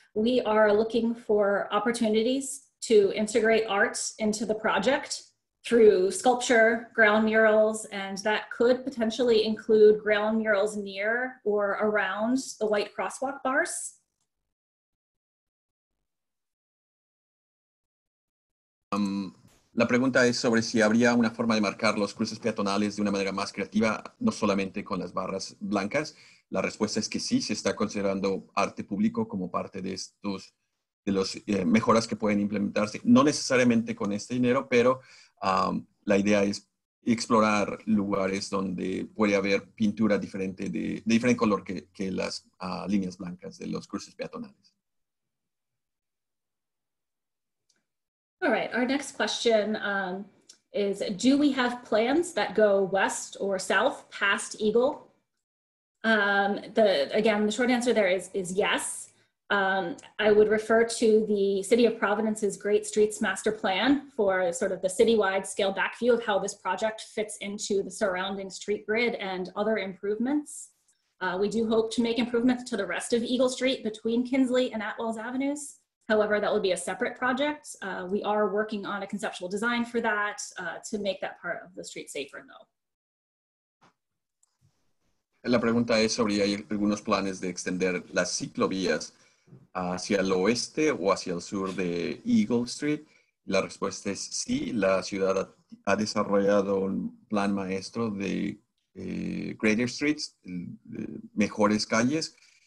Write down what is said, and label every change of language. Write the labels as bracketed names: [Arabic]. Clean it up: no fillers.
[English] We are looking for opportunities to integrate art into the project through sculpture, ground murals, and that could potentially include ground murals near or around the white crosswalk bars. [Spanish] La pregunta es sobre si habría una forma de marcar los cruces peatonales de una manera más creativa, no solamente con las barras blancas. La respuesta es que sí, se está considerando arte público como parte de estos, de los mejoras que pueden implementarse, no necesariamente con este dinero, pero la idea es explorar lugares donde puede haber pintura diferente de diferente color que las líneas blancas de los cruces peatonales. [English] All right, our next question is, do we have plans that go west or south past Eagle? The short answer there is yes. I would refer to the City of Providence's Great Streets Master Plan for sort of the citywide scale back view of how this project fits into the surrounding street grid and other improvements. We do hope to make improvements to the rest of Eagle Street between Kinsley and Atwells Avenues. However, that would be a separate project. We are working on a conceptual design for that to make that part of the street safer, though. [Spanish] La pregunta es sobre si hay algunos planes de extender las ciclovías hacia el oeste o hacia el sur de Eagle Street. La respuesta es sí. La ciudad ha desarrollado un plan maestro de Greater Streets, mejores calles.